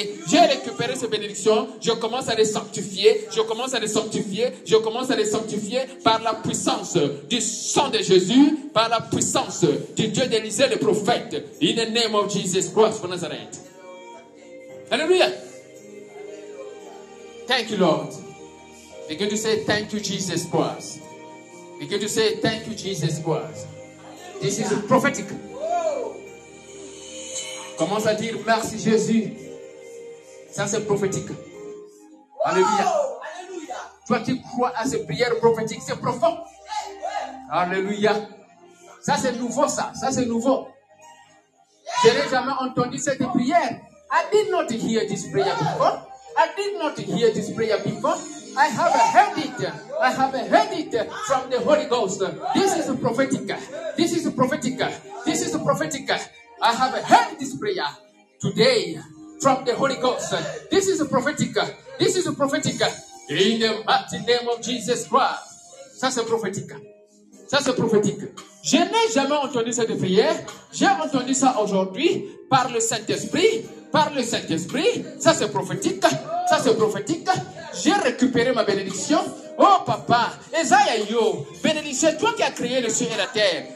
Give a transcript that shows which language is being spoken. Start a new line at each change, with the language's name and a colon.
French: J'ai récupéré ces bénédictions. Je commence à les sanctifier. Je commence à les sanctifier par la puissance du sang de Jésus, par la puissance du Dieu d'Élisée le prophète.
English: In the name of Jesus Christ of Nazareth. Alléluia. Thank you, Lord. Begin to say thank you, Jesus Christ. Begin to say thank you, Jesus Christ. This is prophetic.
French: Commence à dire merci, Jésus. Ça, c'est prophétique. Alléluia. Toi, tu crois à ces prières prophétiques, c'est profond. Alléluia. Ça, c'est nouveau, ça. Ça, c'est nouveau. Je n'ai jamais entendu cette prière.
English: I did not hear this prayer before. I did not hear this prayer before. I have heard it. I have heard it from the Holy Ghost. This is prophetic. This is prophetic. This is prophetic. I have heard this prayer today from the Holy Ghost. This is prophetic. This is prophetic. In the mighty name of Jesus Christ.
French: Ça, c'est prophétique. Ça, c'est prophétique. Je n'ai jamais entendu cette prière. J'ai entendu ça aujourd'hui par le Saint-Esprit. Par le Saint-Esprit. Ça, c'est prophétique. Ça, c'est prophétique. J'ai récupéré ma bénédiction. Oh, papa, Esaïe, yo, bénédiction, c'est toi qui as créé le ciel et la terre.